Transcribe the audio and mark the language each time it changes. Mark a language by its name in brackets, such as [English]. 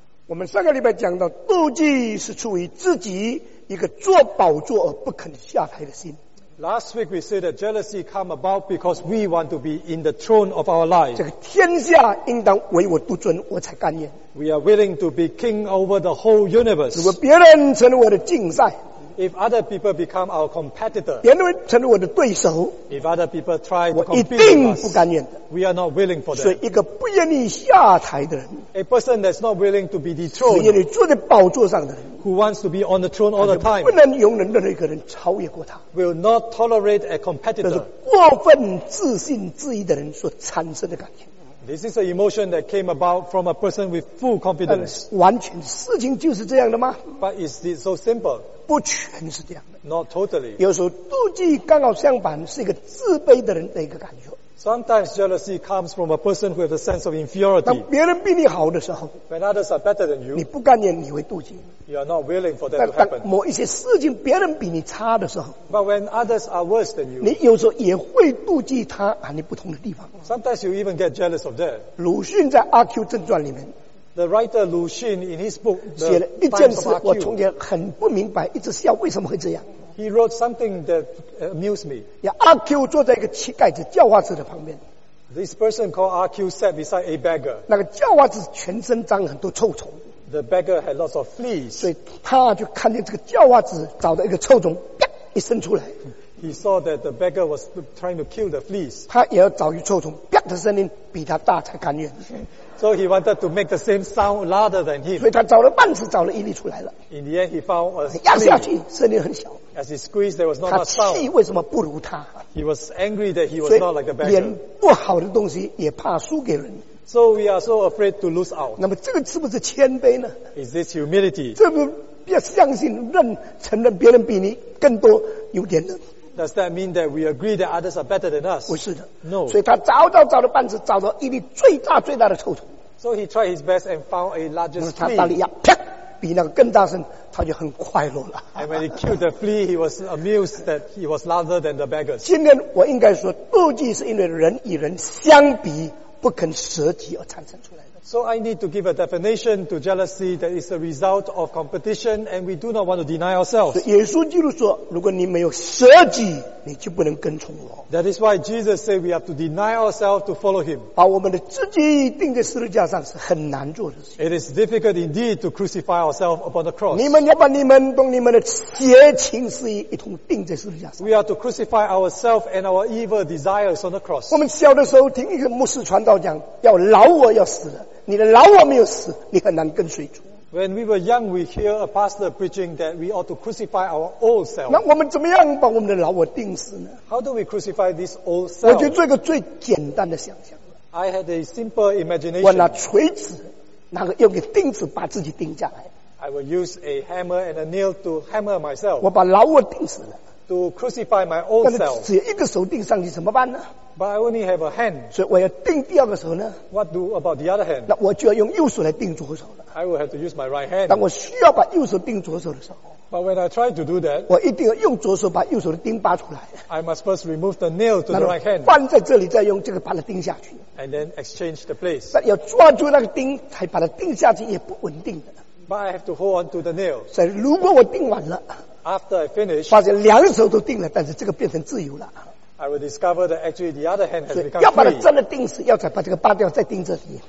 [Chinese] 我们上个礼拜讲到，妒忌是出于自己一个做宝座而不肯下台的心。 [English] Last week we said that jealousy come about because we want to be in the throne of our life. [Chinese] 这个天下应当唯我独尊，我才甘愿。 [English] We are willing to be king over the whole universe. [Chinese] 如果别人成了我的竞赛 [English] ，If other people become our competitor, [Chinese] 别人成了我的对手 [English] ，If other people try to compete with us, [Chinese] 我一定不甘愿的。 [English] We are not willing for that. [Chinese] 所以一个不愿意下台的人 [English] ，A person that's not willing to be dethroned, [Chinese] 只愿意坐在宝座上的人。 [English] Who wants to be on the throne all the time? [Chinese] 不能容忍任何一个人超越过他。 [English] Will not tolerate a competitor. [Chinese] 这是过分自信自义的人所产生的感觉。 [English] This is an emotion that came about from a person with full confidence. [Chinese] 完全事情就是这样的吗 [English] ？But is it so simple? [Chinese] 不全是这样的。 [English] Not totally. [Chinese] 有时候妒忌刚好相反，是一个自卑的人的一个感觉。 [English] Sometimes jealousy comes from a person who has a sense of inferiority. [Chinese] 当别人比你好的时候 [English] ，When others are better than you, [Chinese] 你不甘愿，你会妒忌。 [English] You are not willing for that to happen. [Chinese] 某一些事情别人比你差的时候 [English] ，But when others are worse than you, [Chinese] 你有时候也会妒忌他和你不同的地方。 [English] Sometimes you even get jealous of that. [Chinese] 鲁迅在《阿 Q 正传》里面 [English] ，The writer 鲁迅 in his book [Chinese] 写了一件事，我从前很不明白，一直笑为什么会这样。 [English] He wrote something that amused me. [Chinese] Yeah, RQ 坐在一个乞丐子叫花子的旁边。 [English] This person called RQ sat beside a beggar. [Chinese] 那个叫花子全身脏很多臭虫。 [English] The beggar had lots of fleas. [Chinese] 所以他就看见这个叫花子找到一个臭虫，啪一伸出来。 [English] He saw that the beggar was trying to kill the fleas. [Chinese] 他也要找一个臭虫，啪的声音比他大才甘愿。 [English] So he wanted to make the same sound louder than him. [Chinese] 所以他找了半次，找了一粒出来了。 [English] In the end, he found a [Chinese] flea. 压下去，声音很小。 [English] As he squeezed, there was not much sound. [Chinese] 他气为什么不如他 [English] ？He was angry that he was not like the beggar. [Chinese] 连不好的东西也怕输给人。 [English] So we are so afraid to lose out. [Chinese] 那么这个是不是谦卑呢 [English] ？Is this humility? [Chinese] 这不要相信认承认别人比你更多优点呢？ [English] Does that mean that we agree that others are better than us? [Chinese] 不是的 [English] ，No. [Chinese] 所以他找到找了半次，找到一粒最大最大的臭虫。 [English] So he tried his best and found a largest flea. [Chinese] 他大力压，啪，比那个更大声，他就很快乐了。 [English] And when he killed the flea, he was amused that he was louder than the beggars. [Chinese] 今天我应该说，妒忌是因为人与人相比不肯舍己而产生出来。 [English] So I need to give a definition to jealousy that is a result of competition and we do not want to deny ourselves. [Chinese] 耶稣基督说如果你没有舍己你就不能跟从我。 [English] That is why Jesus said we have to deny ourselves to follow him. [Chinese] 把我们的自己钉在十字架上是很难做的事情。 [English] It is difficult indeed to crucify ourselves upon the cross. [Chinese] 你们要把你们同你们的邪情事业一同钉在十字架上。 [English] We are to crucify ourselves and our evil desires on the cross. [Chinese] 我们小的时候听一个牧师传道讲要老我要死了。你的老我没有死，你很难跟随主。 [English] When we were young, we hear a pastor preaching that we ought to crucify our old self. [Chinese] 那我们怎么样把我们的老我钉死呢 [English] ？How do we crucify this old self? [Chinese] 我就做一个最简单的想象。 [English] I had a simple imagination. [Chinese] 我拿锤子，拿个用个钉子把自己钉下来。 [English] I will use a hammer and a nail to hammer myself. [Chinese] 我把老我钉死了。 [English] To crucify my old self. [Chinese] 但是只有一个手钉上去怎么办呢？ [English] But I only have a hand. [Chinese] 所以我要钉第二个手呢 [English] ？What do about the other hand? [Chinese] 那我就要用右手来钉左手了。 [English] I will have to use my right hand. [Chinese] 当我需要把右手钉左手的时候 [English] ，But when I try to do that, [Chinese] 我一定要用左手把右手的钉拔出来。 [English] I must first remove the nail to the right hand. [Chinese] 放在这里，再用这个把它钉下去。 [English] And then exchange the place. [Chinese] 但要抓住那个钉，才把它钉下去，也不稳定的。 [English] But I have to hold on to the nail. [Chinese] 所以如果我钉完了 [English] ，After I finish, [Chinese] 发现两手都钉了，但是这个变成自由了。 [English] I will discover that actually the other hand has become free. [Chinese] 要把它真的钉死，要再把这个拔掉，再钉这里。